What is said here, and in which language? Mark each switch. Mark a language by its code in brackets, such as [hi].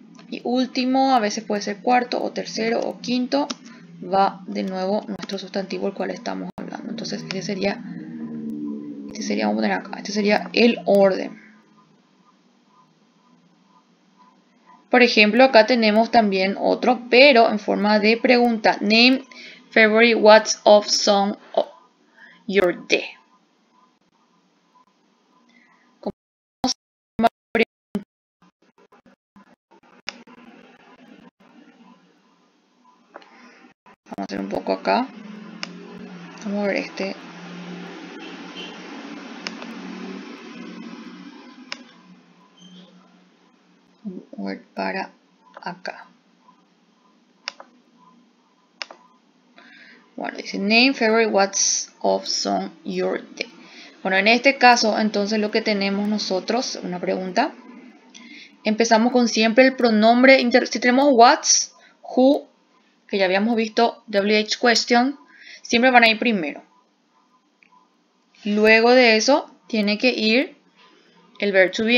[es] Y último, a veces puede ser cuarto o tercero o quinto, va de nuevo nuestro sustantivo al cual estamos hablando. Entonces este sería, vamos a poner acá, este sería el orden. Por ejemplo, acá tenemos también otro, pero en forma de pregunta. [en] Name favorite what's of song of your day. [es] Vamos a hacer un poco acá. Vamos a ver este. Word para acá. Bueno, dice [en] name favorite what's of song your day. [es] Bueno, en este caso, entonces lo que tenemos nosotros, una pregunta. Empezamos con siempre el pronombre. Si tenemos what's, who, que ya habíamos visto, WH question, siempre van a ir primero. Luego de eso, tiene que ir el verb to be.